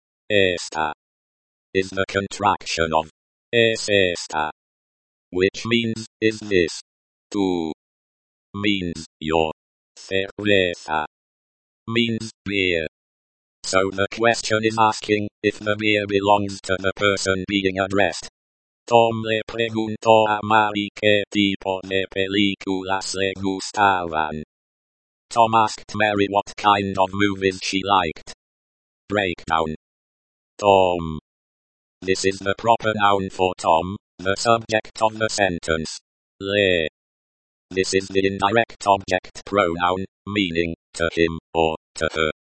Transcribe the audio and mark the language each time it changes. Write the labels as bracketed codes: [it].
[en] Esta is the contraction of [es] es esta, [en] which means is this. Tu means your, cerveza means beer. So the question is asking if the beer belongs to the person being addressed. [es] Tom le preguntó a Mari qué tipo de películas le gustaban. [en] Tom asked Mary what kind of movies she liked. Breakdown. Tom. This is the proper noun for Tom, the subject of the sentence. Le. This is the indirect object pronoun, meaning, to him, or, to her.